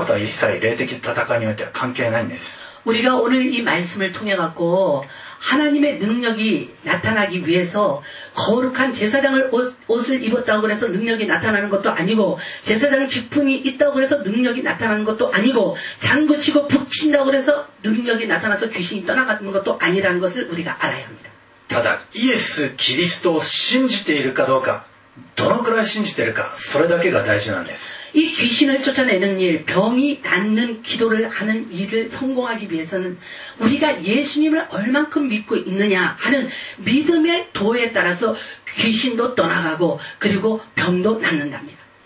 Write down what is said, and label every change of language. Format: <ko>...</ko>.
<ko>버렸어요.</ko> <ja>このことからですね、この霊的な戦いにおいては、その人の力とか人数とか、あるいはその面持ち、何かいかにも宗教的な格好をしても、そういったことは一切霊的戦いにおいては関係ないんです。</ja> <ko>우리가 오늘 이 말씀을 통해 갖고 하나님의 능력이 나타나기 위해서 거룩한 제사장을 옷을 입었다고 해서 능력이 나타나는 것도 아니고 제사장 직분이 있다고 해서 능력이 나타나는 것도 아니고 장구 치고 북친다고 해서 능력이 나타나서 귀신이 떠나가는 것도 아니라는 것을 우리가 알아야 합니다. 다만 예수 그리스도를</ko> <ja>신지ているか どのくらい信じているか、それだけが大事なんです。</ja> <ko>이 귀신을 쫓아내는 일, 병이 낫는 기도를 하는 일을 성공하기 위해서는 우리가 예수님을 얼만큼 믿고 있느냐 하는 믿음의 도에 따라서 귀신도 떠나가고 그리고 병도 낫는답니다.</ko>